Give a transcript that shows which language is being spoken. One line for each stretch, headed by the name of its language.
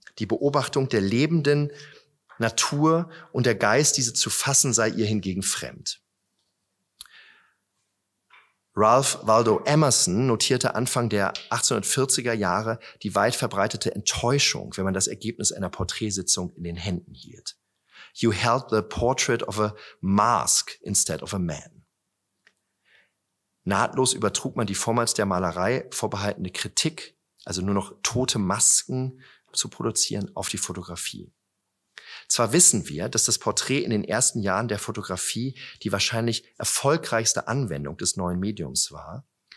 German: Die Beobachtung der lebenden Natur und der Geist, diese zu fassen, sei ihr hingegen fremd. Ralph Waldo Emerson notierte Anfang der 1840er Jahre die weit verbreitete Enttäuschung, wenn man das Ergebnis einer Porträtsitzung in den Händen hielt.
English: You held the portrait of a mask instead of a man.
German: Nahtlos übertrug man die vormals der Malerei vorbehaltene Kritik, also nur noch tote Masken zu produzieren, auf die Fotografie. Zwar wissen wir, dass das Porträt in den ersten Jahren der Fotografie die wahrscheinlich erfolgreichste Anwendung des neuen Mediums war.